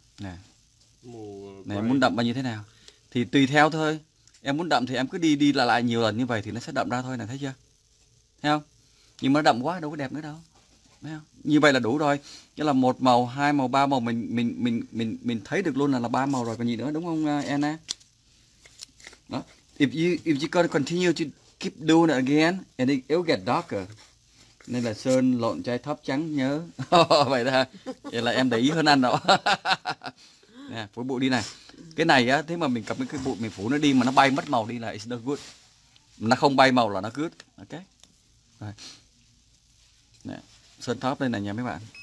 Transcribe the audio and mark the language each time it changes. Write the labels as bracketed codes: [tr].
[vi] Nè. Này muốn đậm bao nhiêu thế nào thì tùy theo thôi, Em muốn đậm thì em cứ đi đi lại lại nhiều lần như vậy thì nó sẽ đậm ra thôi nè, thấy chưa? Thấy không? Nhưng mà nó đậm quá đâu có đẹp nữa đâu. Thấy không? Như vậy là đủ rồi. Chứ là một màu, hai màu, ba màu mình thấy được luôn là ba màu rồi còn gì nữa, đúng không Anna? Đó. [en] If you continue to keep doing it again and it will get darker. [vi] Nên là sơn lộn chai thấp trắng nhớ. Vậy đó. Vậy là em để ý hơn anh đó. Nè, phủ bụi đi này. Cái này á, thế mà mình cầm cái bụi mình phủ nó đi mà nó bay mất màu đi là [en] it's not good. [vi] Nó không bay màu là nó good. Ok. Rồi. Nè, sơn thấp đây này nha mấy bạn.